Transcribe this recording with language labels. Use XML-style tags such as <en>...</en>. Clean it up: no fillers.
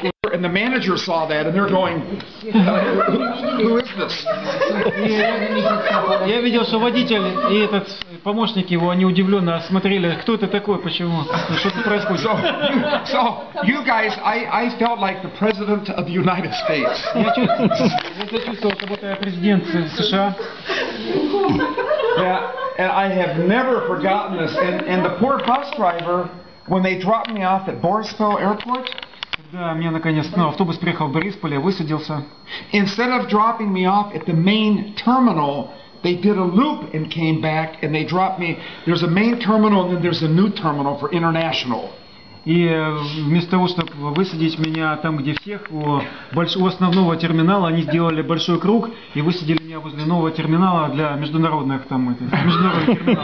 <en>And the manager saw that, and they're going, "Who is this?"</en> <ru>Я видел, что водитель и этот помощник его, они удивленно смотрели, кто это такой, почему, что-то происходит.</ru> <en>So, you guys, I felt like the president of the United States.</en> <ru>Я чувствовал, как будто я президент США.</ru> <en>Yeah, and I have never forgotten this. And the poor bus driver, when they dropped me off at Borisov Airport,</en> <ru>когда меня наконец, ну, автобус приехал в Борисполь, я высадился.</ru> <en>Instead of dropping me off at the main terminal, they did a loop and came back, and they dropped me. There's a main terminal, and then there's a new terminal for international.</en> <ru>И вместо того, чтобы высадить меня там, где всех, у основного терминала, они сделали большой круг и высадили меня возле нового терминала для международных, там, это, международных</ru>